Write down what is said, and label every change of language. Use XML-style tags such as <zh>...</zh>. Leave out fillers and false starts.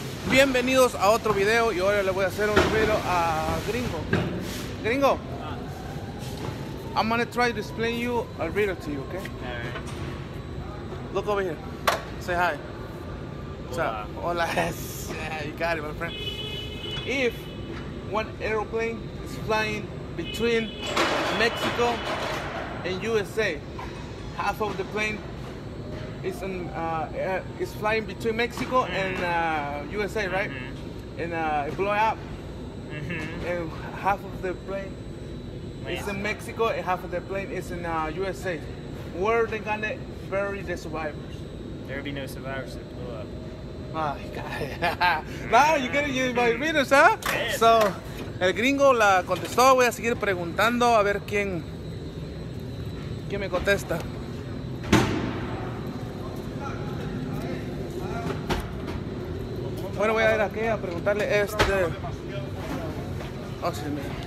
<es>Bienvenidos a otro video y ahora le voy a hacer un video a Gringo.</es> <en>Gringo, I'm gonna try to explain you a video to you, okay? Look over here. Say hi.</en> <es>Hola.</es> <en>You got it, my friend. If one aeroplane is flying between Mexico and USA, half of the plane is in, is flying between Mexico and USA, right? And it blow up. And half of the plane is in Mexico and half of the plane is in USA. Where are they gonna bury the survivors? There'll be no survivors if it blow up. Oh, God. Now you're getting your by readers, huh? Yeah. So,</en> <es>el gringo la contestó. Voy a seguir preguntando a ver quién me contesta. Bueno, voy a ir aquí a preguntarle este. Oh, sí, mira.</es>